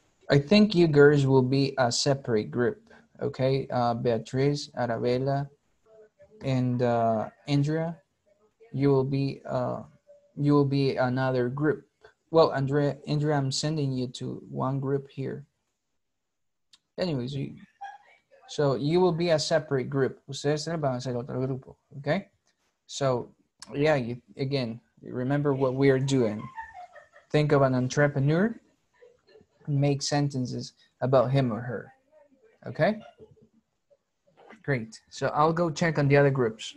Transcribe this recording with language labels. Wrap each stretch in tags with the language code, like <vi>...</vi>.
<en>I think you girls will be a separate group, okay? Beatriz, Arabella, and Andrea, you will be another group. Well, Andrea, I'm sending you to one group here. Anyways, you will be a separate group.</en> <es>Ustedes se van a hacer otro grupo, okay?</es> <en>So, yeah, remember what we are doing. Think of an entrepreneur, make sentences about him or her, okay? Great, so I'll go check on the other groups.</en>